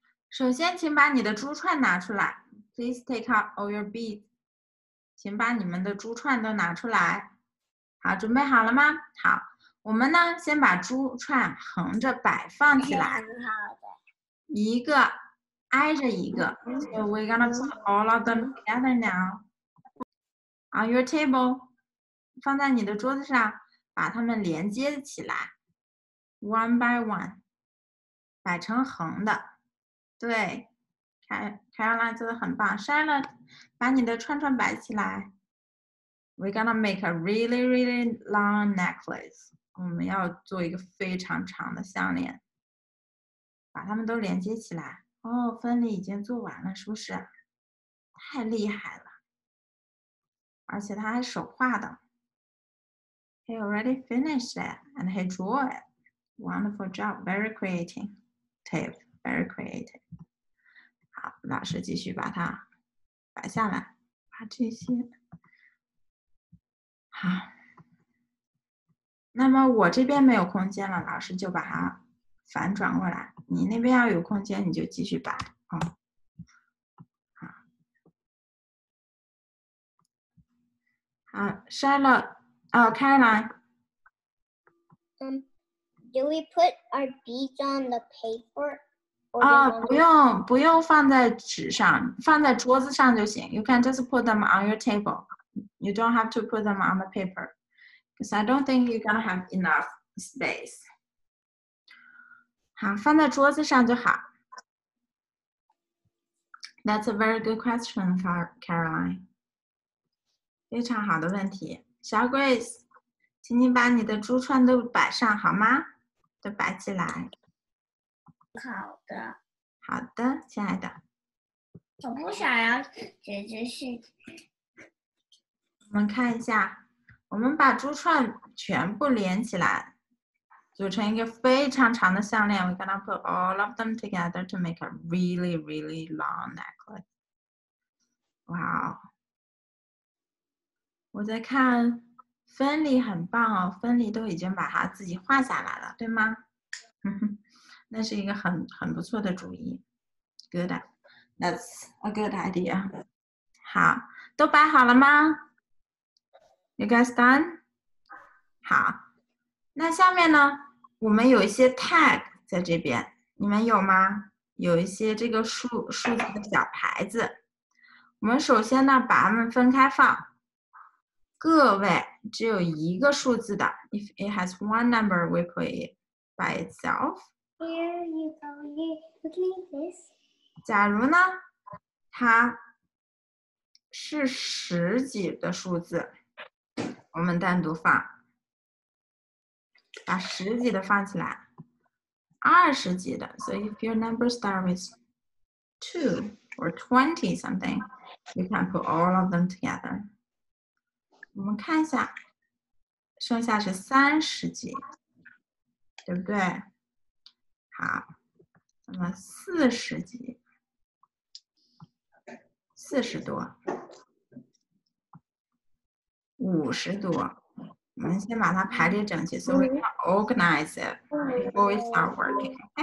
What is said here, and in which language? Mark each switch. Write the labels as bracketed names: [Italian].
[Chinese] 首先，请把你的珠串拿出来。 [English] Please take out all your beads. [Chinese] 请把你们的珠串都拿出来。好，准备好了吗？好，我们呢，先把珠串横着摆放起来。一个挨着一个。 [English] So we're gonna put all of them together now. On your table. [Chinese] 放在你的桌子上，把它们连接起来。 [English] One by one. [Chinese] 摆成横的。对。 Caroline 做得很棒。Charlotte, 把你的串串摆起来。 [English] We're gonna make a really, really long necklace. [Chinese] 我们要做一个非常长的项链。把它们都连接起来。哦，分离已经做完了，是不是？太厉害了。而且他还手画的。 [English] He already finished it, and he drew it. Wonderful job, very creative. Tape, very creative. [Chinese] 好，老师继续把它摆下来，把这些好。那么我这边没有空间了，老师就把它反转过来。你那边要有空间，你就继续摆啊、哦。好，删了啊，开来。 [English] Do we put our beads on the paper? [Chinese] 啊、oh, ，不用不用放在纸上，放在桌子上就行。 [English] You can just put them on your table. You don't have to put them on the paper, because I don't think you're gonna have enough space. [Chinese] 好，放在桌子上就好。 [English] That's a very good question, [Chinese] Caroline. 非常好的问题，小 Grace， 请你把你的珠串都摆上好吗？都摆起来。好的，好的，亲爱的。我不想要姐姐是。我们看一下，我们把珠串全部连起来，组成一个非常长的项链。 [English] We're gonna put all of them together to make a really, really long necklace. Wow. [Chinese] 我在看，芬妮很棒哦，芬妮都已经把它自己画下来了，对吗？那是一个很不错的主意 ， [English] Good, that's a good idea. [Chinese] 好，都摆好了吗 ？ [English] You guys done? [Chinese] 好，那下面呢？我们有一些 tag 在这边，你们有吗？有一些这个数字的小牌子。我们首先呢，把它们分开放。个位只有一个数字的 [English] ，If it has one number, we put it by itself. Here you go. You click this. [Chinese] 假如呢，它是十几的数字，我们单独放，把十几的放起来，二十几的。 [English] So if your number starts with 2 or 20 something, you can put all of them together. [Chinese] 我们看一下，剩下是三十几，对不对？好，那么四十几，四十多，五十多，我们先把它排列整齐 ， [English] so we can organize it before we start working.